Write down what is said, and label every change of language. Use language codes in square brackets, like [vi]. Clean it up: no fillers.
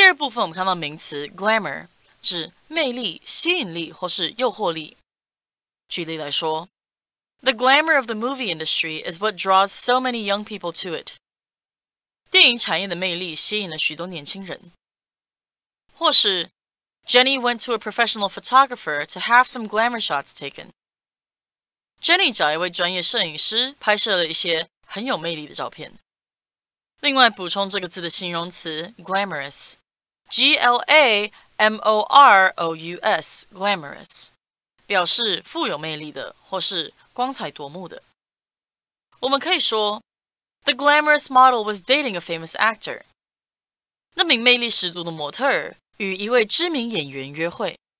[zh] Glamour 指魅力、吸引力或是诱惑力。举例来说 [en] ，The glamour of the movie industry is what draws so many young people to it. [zh] 电影产业的魅力吸引了许多年轻人。或是 [en] ，Jenny went to a professional photographer to have some glamour shots taken. [zh] Jenny 找一位专业摄影师拍摄了一些很有魅力的照片。另外补充这个字的形容词 glamorous, G-L-A-M-O-R-O-U-S, glamorous, 表示富有魅力的或是光彩夺目的。我们可以说 [en] The glamorous model was dating a famous actor. [zh] 那名魅力十足的模特儿与一位知名演员约会。